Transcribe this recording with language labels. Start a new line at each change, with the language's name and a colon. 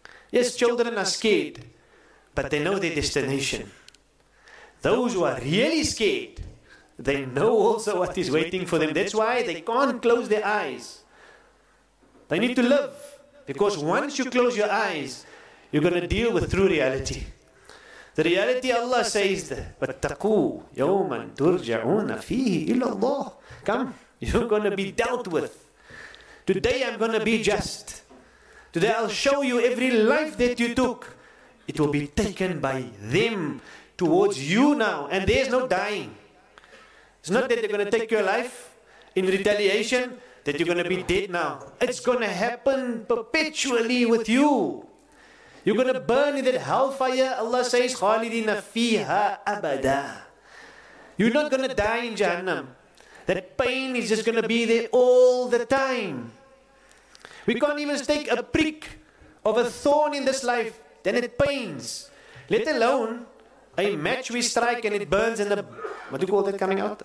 English: Yes, children are scared. But they know their destination. Those who are really scared, they know also what is waiting for them. That's why they can't close their eyes. They need to live. Because once you close your eyes, you're going to deal with true reality. The reality Allah says,
Arabic: وَاتَّقُوا يَوْمًا تُرْجَعُونَ فِيهِ إِلَى اللَّهِ.
English: Come, you're going to be dealt with. Today I'm going to be just. Today I'll show you every life that you took. It will be taken by them towards you now. And there's no dying. It's not that they're going to take your life in retaliation, that you're going to be dead now. It's going to happen perpetually with you. You're going to burn in that hellfire. Allah says,
Arabic: خَالِدِينَ فِيهَا أَبَدًا.
English: You're not going to die in Jahannam. That pain is just going to be there all the time. We can't even take a prick of a thorn in this life. Then it pains. Let alone a match we strike and it burns in the... What do you call that coming out?